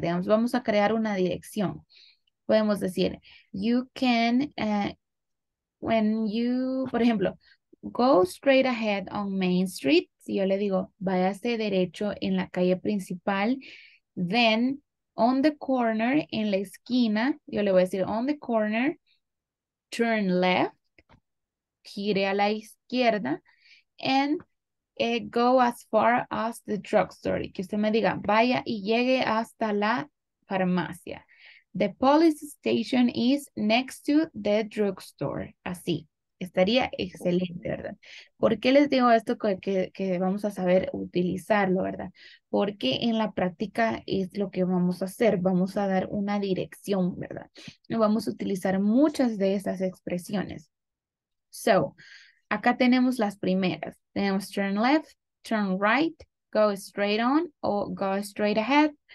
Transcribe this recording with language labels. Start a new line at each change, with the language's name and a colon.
Spanish: Digamos, vamos a crear una dirección. Podemos decir,
English: you can, when you,
Spanish: por ejemplo,
English: go straight ahead on Main Street,
Spanish: si yo le digo, váyase derecho en la calle principal,
English: then, on the corner,
Spanish: en la esquina, yo le voy a decir,
English: on the corner, turn left,
Spanish: gire a la izquierda,
English: and go as far as the drugstore.
Spanish: Que usted me diga, vaya y llegue hasta la farmacia.
English: The police station is next to the drugstore.
Spanish: Así. Estaría excelente, ¿verdad? ¿Por qué les digo esto que vamos a saber utilizarlo, verdad? Porque en la práctica es lo que vamos a hacer. Vamos a dar una dirección, ¿verdad? Y vamos a utilizar muchas de esas expresiones.
English: So,
Spanish: acá tenemos las primeras. Tenemos
English: turn left, turn right, go straight on o go straight ahead.